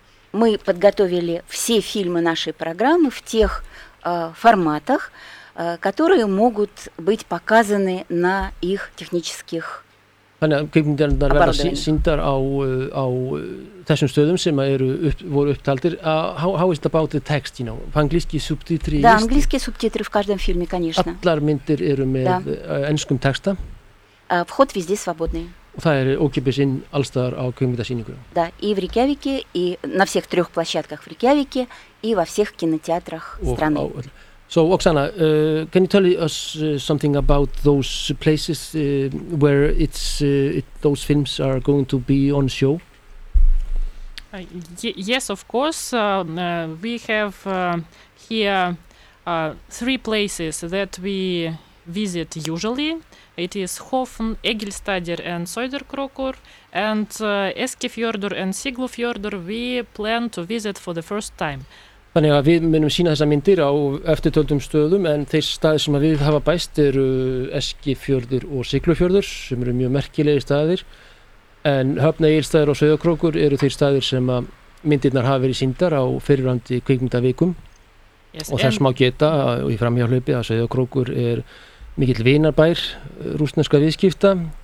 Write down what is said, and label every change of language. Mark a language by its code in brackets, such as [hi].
[ru] Мы подготовили все фильмы нашей программы в тех форматах, которые могут быть показаны на их технических [is] Þannig að kvikmyndirnar verða sýndar á, á þessum stöðum sem eru upp, voru upptaldir. [en] How is it about the text, you know? [ru] Anglíski subtitri? Да, английские субтитры в каждом фильме, конечно. [is] Allar myndir eru með enskum texta. [ru] Вход везде свободный. [is] Og það eru ókeypis inn allstaðar á kvikmyndasýningu. [ru] Да, и в Рейкявике, и на всех трех площадках в Рейкявике, и во всех кинотеатрах страны. [is] Og, og, [en] So, Oksana, can you tell us something about those places where it's those films are going to be on show? Yes, of course. We have here three places that we visit usually. It is Hofn, Egilstadir and Söderkrokur. And Eskifjörður and Siglufjörður we plan to visit for the first time. [is] Þannig að við munum sína þessa myndir á eftirtöldum stöðum en þeir staðir sem að við hafa bæst eru Eskifjörður og Siglufjörður sem eru mjög merkilegir staðir en Höfn, Egilsstaðir og Sauðárkrókur eru þeir staðir sem að myndirnar hafa verið sýndar á fyrirrandi kvikmyndavikum yes, og þess má geta og í framhjáhlaupi að Sauðárkrókur mikill vinarbær rússneska viðskipta